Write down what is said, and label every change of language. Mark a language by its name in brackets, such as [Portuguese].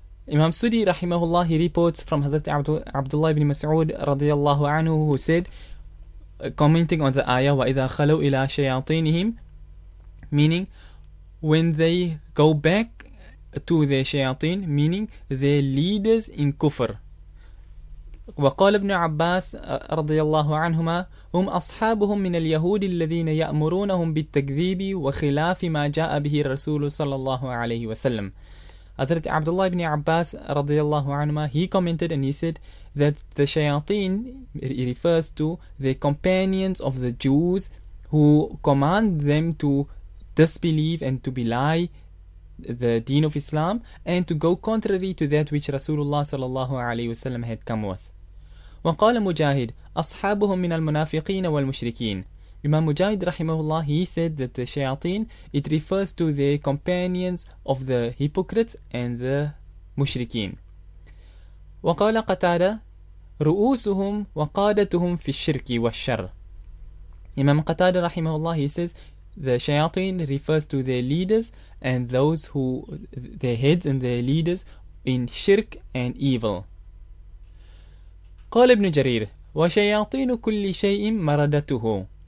[English] Imam Sudi rahimahullah, he reports from Hazrat Abdullah ibn Mas'ud radiyallahu anhu, who said, commenting on the ayah [Arabic] وَإِذَا خَلَوْا إِلَى شَيَاطِينِهِمْ, [English] meaning when they go back to their shayateen, meaning their leaders in kufr. [Arabic] وقال ابن عباس رضي الله عنهما هم أصحابهم من اليهود الذين يأمرونهم بالتكذيب وخلاف ما جاء به الرسول صلى الله عليه وسلم. [English] Hazrat Abdullah ibn Abbas radiyallahu anhu, he commented and he said that the shayateen, it refers to the companions of the Jews who command them to disbelieve and to belie the deen of Islam and to go contrary to that which Rasulullah sallallahu alayhi wasallam had come with. [Arabic] وقال مجاهد أصحابهم من المنافقين والمشركين. [English] Imam Mujahid rahimahullah, he said that the shayateen, it refers to the companions of the hypocrites and the mushrikeen. [Arabic] وقال قتادة رؤوسهم وقادتهم في الشرك والشر. [English] Imam Qatada rahimahullah, he says the shayateen refers to their leaders and those who, their heads and their leaders in shirk and evil. [Arabic] قال ابن جرير وشياطين كل شيء مردته.